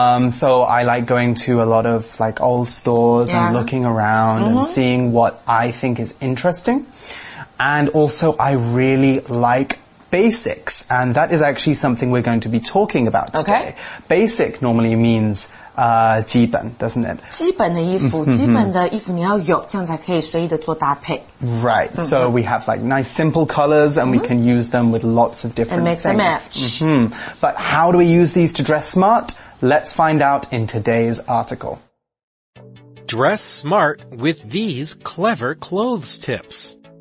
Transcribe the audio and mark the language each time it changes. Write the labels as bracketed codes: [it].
[en] So I like going to a lot of like old stores and looking around and seeing what I think is interesting. And also, I really like basics. And that is actually something we're going to be talking about today. Okay. Basic normally means 基本, doesn't it? [zh] 基本的衣服你要有, 这样才可以随意的做搭配。 [en] Right, so we have like nice simple colors and we can use them with lots of different things. And mix and match. But how do we use these to dress smart? Let's find out in today's article. Dress smart with these clever clothes tips.